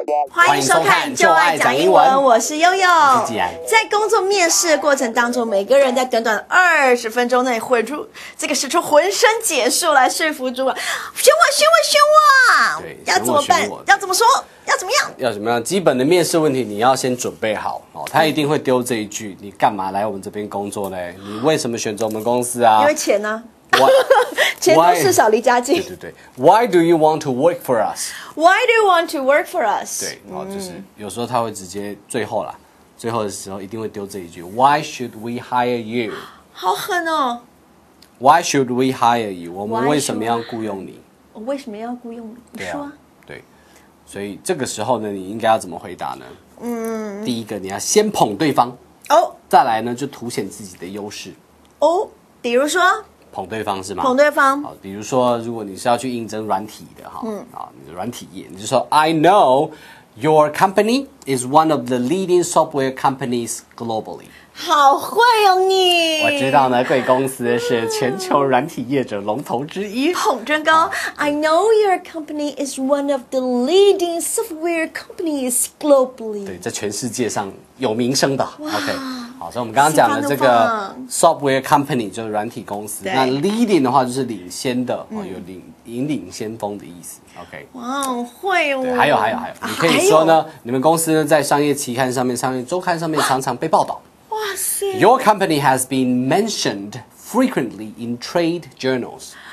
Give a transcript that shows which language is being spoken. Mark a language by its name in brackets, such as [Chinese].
[Chinese] 欢迎收看《就爱讲英文》，我是悠悠。在工作面试的过程当中，每个人在短短20分钟内挥出这个使出浑身解数来说服主管，选我，选我，选我。对，要怎么办？要怎么说？要怎么样？要怎么样？基本的面试问题你要先准备好哦。他一定会丢这一句：“你干嘛来我们这边工作嘞？你为什么选择我们公司啊？” 因为钱呢、啊。钱多事少离家近。对对对 [English] ，Why do you want to work for us? Why do you want to work for us? [Chinese] 对，然后就是有时候他会直接最后啦，最后的时候一定会丢这一句 ， [English] Why should we hire you? [Chinese] 好狠哦 [English] ！Why should we hire you? [Chinese] 我们为什么要雇佣你？我为什么要雇佣你？对啊，说啊，对，所以这个时候呢，你应该要怎么回答呢？嗯，第一个你要先捧对方哦，再来呢就凸显自己的优势哦，比如说。捧对方是吗？捧对方。好，比如说，如果你是要去应征软体的哈，你是软体业，你就说 [English] I know your company is one of the leading software companies globally。 [Chinese] 好会哦你！我知道呢，贵公司是全球软体业者龙头之一。捧真高 [English] ！I know your company is one of the leading software companies globally。 [Chinese] 对，在全世界上有名声的。 OK。 好，所以我们刚刚讲的这个 software company 就是软体公司，那 leading 的话就是领先的，有领先锋的意思。OK，哇，会哦。对，还有，你可以说呢，你们公司呢在商业期刊上面、商业周刊上面常常被报道。哇塞 [English] ，Your company has been mentioned frequently in trade journals.